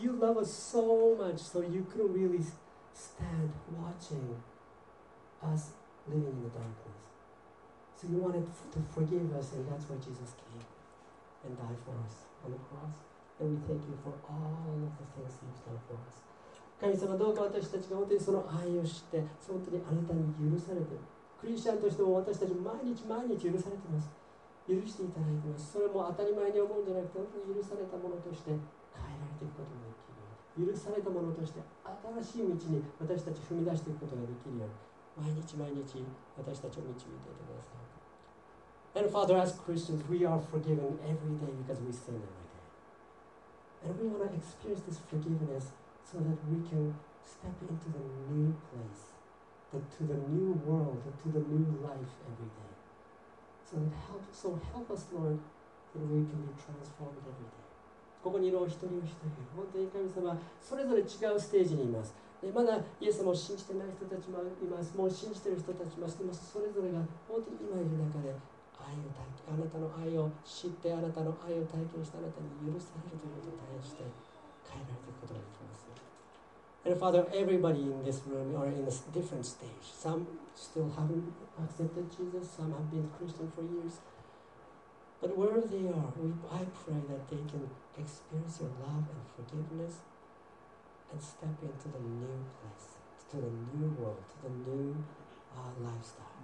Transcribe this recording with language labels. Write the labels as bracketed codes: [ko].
[en] You love us so much, so you couldn't really stand watching us living in the darkness. So you wanted to forgive us, and that's why Jesus came and died for us on the cross. And we thank you for all of the things you've done for us. [ja] 神様、どうか私たちが本当にその愛を知って、本当にあなたに許されている。クリスチャンとしても私たち毎日毎日許されています。許していただいています。それも当たり前に思うんじゃなくて、本当に許されたものとして変えられていくこともできるように。許されたものとして新しい道に私たち踏み出していくことができるように。毎日毎日私たちを導いていてください。 [en] And Father, as Christians, we are forgiven every day because we sin every day. And we want to experience this forgiveness so that we can step into the new place. To the new world, to the new life every day. So help us, Lord, that we can be transformed every day. [ja] ここにいるお一人お一人、本当に神様、それぞれ違うステージにいます。で、まだイエス様を信じてない人たちもいます。もう信じてる人たちもいます。それぞれが本当に今いる中で愛を体験、あなたの愛を知って、あなたの愛を体験して、あなたに許されるということに対して変えられていくことができます。 [en] And Father, everybody in this room are in a different stage. Some still haven't accepted Jesus. Some have been Christian for years. But wherever they are, I pray that they can experience your love and forgiveness and step into the new place, to the new world, to the new lifestyle.